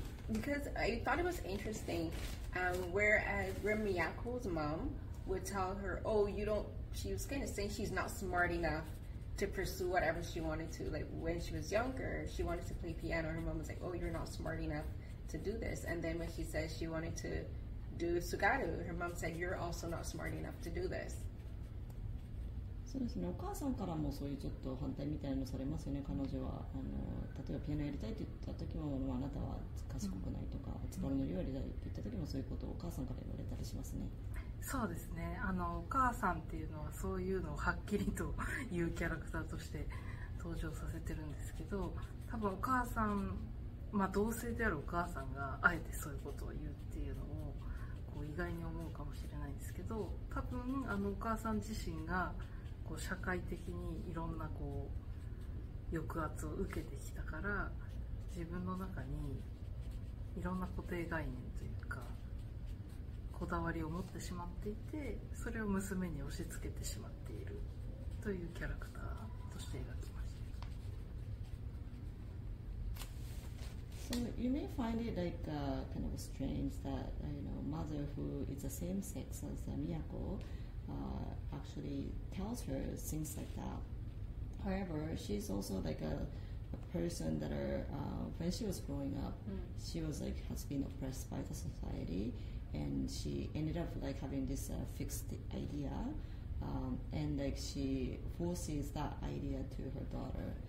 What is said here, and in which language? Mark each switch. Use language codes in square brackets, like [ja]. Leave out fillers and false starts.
[en] Because I thought it was interesting, whereas Miyako's mom would tell her, oh, you don't, she was kind of saying she's not smart enough to pursue whatever she wanted to, like when she was younger, she wanted to play piano, her mom was like, oh, you're not smart enough to do this, and then when she said she wanted to do Sugaru, her mom said, you're also not smart enough to do this. [ja] そうですね、お母さんからもそういうちょっと反対みたいなのされますよね。彼女はあの例えばピアノやりたいって言った時もあなたは賢くないとか、うん、つばるの料理だって言った時もそういうことをお母さんから言われたりしますね。そうですね、あのお母さんっていうのはそういうのをはっきりと言うキャラクターとして登場させてるんですけど、多分お母さん、まあ、同性であるお母さんがあえてそういうことを言うっていうのをこう意外に思うかもしれないんですけど、多分あのお母さん自身が社会的にいろんなこう抑圧を受けてきたから自分の中にいろんな固定概念というかこだわりを持ってしまっていて、それを娘に押し付けてしまっているというキャラクターとして描きました。 [en] So you may find it like a kind of strange that you know, mother who is the same sex as Miyako actually tells her things like that. However, she's also like a person that are, when she was growing up, she was like, has been oppressed by the society, and she ended up like having this fixed idea, and like she forces that idea to her daughter.